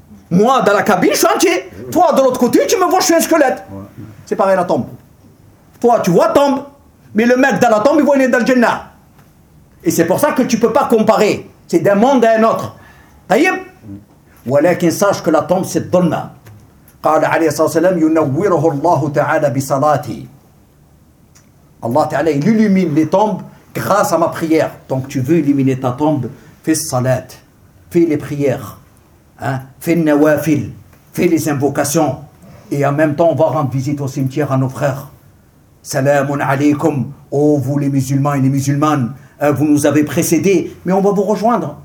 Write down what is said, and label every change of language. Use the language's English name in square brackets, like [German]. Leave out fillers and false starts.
[French] Moi, dans la cabine, je suis entier. Toi, de l'autre côté, tu me vois, je suis un squelette. C'est pareil, la tombe. Toi, tu vois tombe. Mais le mec dans la tombe, il voit une dans le Jannah. Et c'est pour ça que tu ne peux pas comparer. C'est d'un monde à un autre. Taïm. Voilà qu'il sache que la tombe, c'est dhulma. [Arabic] قال عليه الصلاة والسلام ينوره الله تعالى بصلاتي الله تعالى [French] illumine les tombes grâce à ma prière. Donc tu veux illuminer ta tombe, fais salat, fais les prières, hein, fais nawafil, fais les invocations, et en même temps on va rendre visite au cimetière à nos frères. Salam alaykum, ô vous les musulmans et les musulmanes, vous nous avez précédés, mais on va vous rejoindre.